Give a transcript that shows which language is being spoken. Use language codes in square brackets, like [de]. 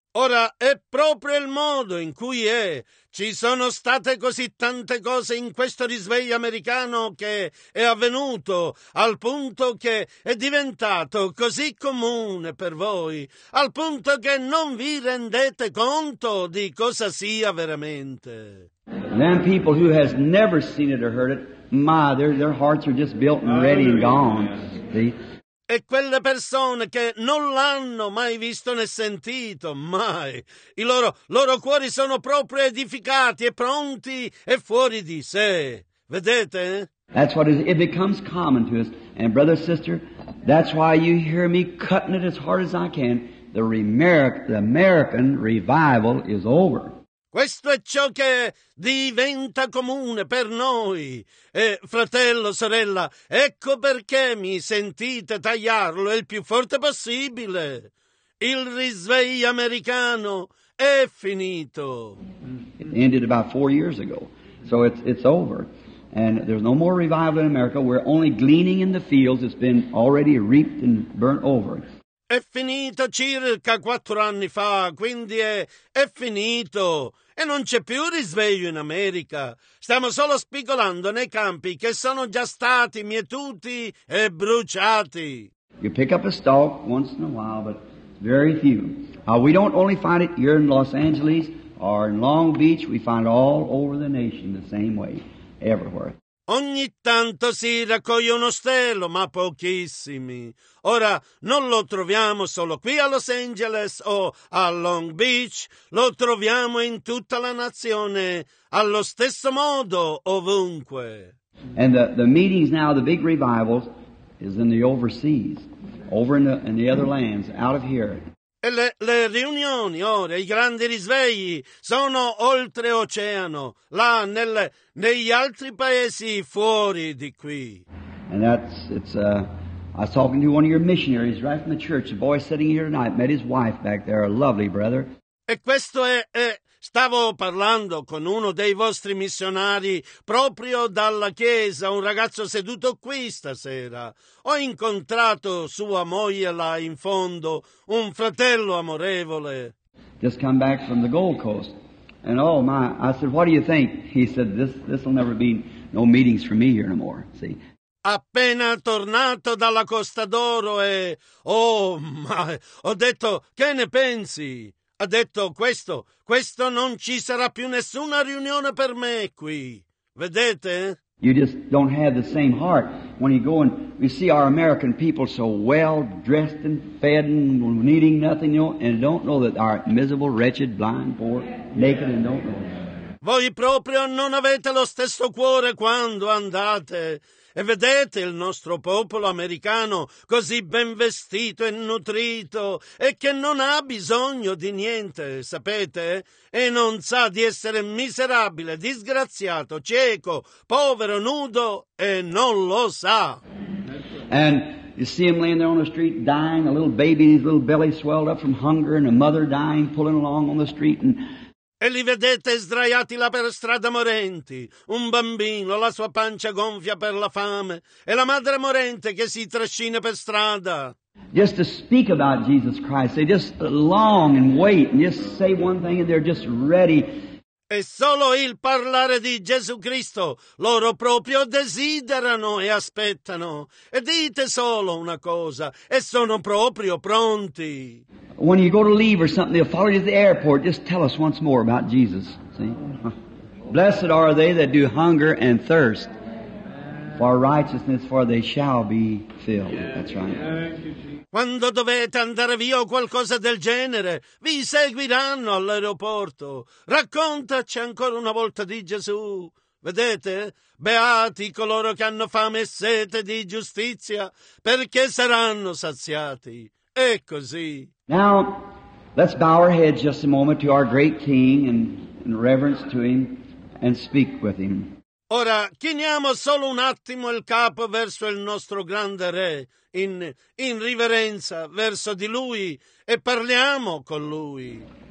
[it] Ora è proprio il modo in cui è. Ci sono state così tante cose in questo risveglio americano che è avvenuto al punto che è diventato così comune per voi, al punto che non vi rendete conto di cosa sia veramente. [en] Then people who has never seen it or heard it, their hearts are just built and ready and gone. See? [it] E quelle persone che non l'hanno mai visto né sentito, mai. I loro cuori sono proprio edificati e pronti e fuori di sé. Vedete? [en] That's what it becomes common to us. And brother, sister, that's why you hear me cutting it as hard as I can. The American revival is over. [it] Questo è ciò che diventa comune per noi. E fratello, sorella, ecco perché mi sentite tagliarlo il più forte possibile. Il risveglio americano è finito. [en] It ended about 4 years ago. So it's over. And there's no more revival in America. We're only gleaning in the fields. It's been already reaped and burnt over. [it] È finito circa 4 anni fa, quindi è finito. E non c'è più risveglio in America. Stiamo solo spigolando nei campi che sono già stati mietuti e bruciati. [en] You pick up a stalk once in a while, but very few. We don't only find it here in Los Angeles or in Long Beach. We find it all over the nation the same way, everywhere. [it] Ogni tanto si raccoglie uno stelo, ma pochissimi. Ora, non lo troviamo solo qui a Los Angeles o a Long Beach, lo troviamo in tutta la nazione, allo stesso modo, ovunque. [en] And the meetings now, the big revivals, is in the overseas, over in the other lands, out of here. [it] E le riunioni ora, i grandi risvegli, sono oltreoceano, là negli altri paesi fuori di qui. [en] And I was talking to one of your missionaries right from the church. The boy sitting here tonight met his wife back there, a lovely brother. [it] E questo stavo parlando con uno dei vostri missionari proprio dalla chiesa, un ragazzo seduto qui stasera. Ho incontrato sua moglie là in fondo, un fratello amorevole. [en] Just come back from the Gold Coast. And I said, what do you think? He said, this will never be no meetings for me here no more, see. [it] Appena tornato dalla Costa d'Oro e... ho detto, che ne pensi? Ha detto, questo non ci sarà più nessuna riunione per me qui. Vedete? [en] You just don't have the same heart. When you go and we see our American people so well dressed and fed and needing nothing, you know, and don't know that our miserable, wretched, blind, poor, naked and don't know. [it] Voi proprio non avete lo stesso cuore quando andate. E vedete il nostro popolo americano, così ben vestito e nutrito, e che non ha bisogno di niente, sapete? E non sa di essere miserabile, disgraziato, cieco, povero, nudo, e non lo sa. [en] And you see him laying there on the street dying, a little baby, his little belly swelled up from hunger, and a mother dying, pulling along on the street, and... [it] E li vedete sdraiati là per strada morenti, un bambino, la sua pancia gonfia per la fame, e la madre morente che si trascina per strada. [en] Just to speak about Jesus Christ, they just long and wait, and just say one thing and they're just ready. [it] E solo il parlare di Gesù Cristo, loro proprio desiderano e aspettano. E dite solo una cosa, e sono proprio pronti. [en] When you go to leave or something, they'll follow you to the airport. Just tell us once more about Jesus. See? Blessed are they that do hunger and thirst for righteousness, for they shall be filled. That's right. [it] Quando dovete andare via o qualcosa del genere, vi seguiranno all'aeroporto. Raccontaci ancora una volta di Gesù. Vedete? Beati coloro che hanno fame e sete di giustizia, perché saranno saziati. E così. [en] Now, let's bow our heads just a moment to our great King and in reverence to Him and speak with Him. [it] Ora, chiniamo solo un attimo il capo verso il nostro grande Re, in riverenza verso di Lui, e parliamo con Lui.